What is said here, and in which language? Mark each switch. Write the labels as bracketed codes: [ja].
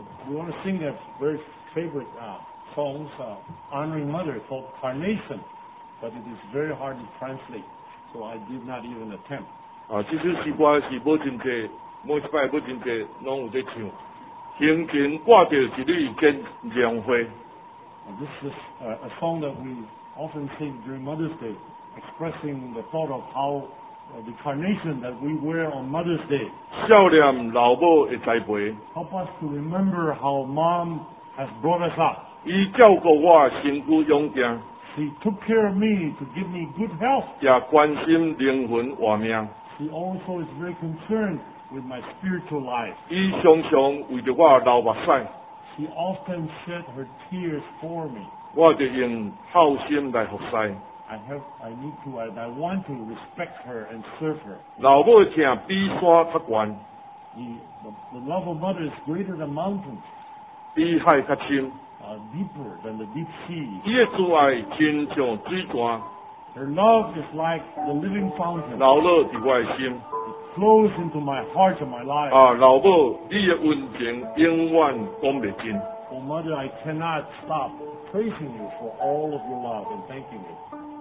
[en] We want to sing a very favorite songs honoring mother called Carnation, but it is very hard to translate, so I did not even attempt. [nan] 啊，其实是我是无真济，每一摆无真济，拢有在唱。平平挂着一粒金莲花。 [en] This is a song that we often sing during Mother's Day, expressing the thought of how the carnation that we wear on Mother's Day. [nan] 孝念老母的栽培。 [en] Help us to remember how Mom has brought us up. [nan] 伊照顾我身躯勇健。 [en] She took care of me to give me good health. [nan] 也关心灵魂活命。 [en] She also is very concerned. With my spiritual life. [nan] 她常常为着我流目屎。 [en] She often shed her tears for me. [nan] 我就用孝心来服侍。 [en] I want to respect her and serve her. [nan] 老母的疼比山较高。 [en] The love of mother is greater than mountains. [nan] 比海较深。 [en] Deeper than the deep sea. [nan] 她的慈爱亲像水泉。 [en] Her love is like the living fountain. [nan] 流落在我的心。 [en] Flows into my heart and my life. [nan] 啊，老母，你的恩情永远讲不尽。 [en] Oh, mother, I cannot stop praising you for all of your love and thanking you.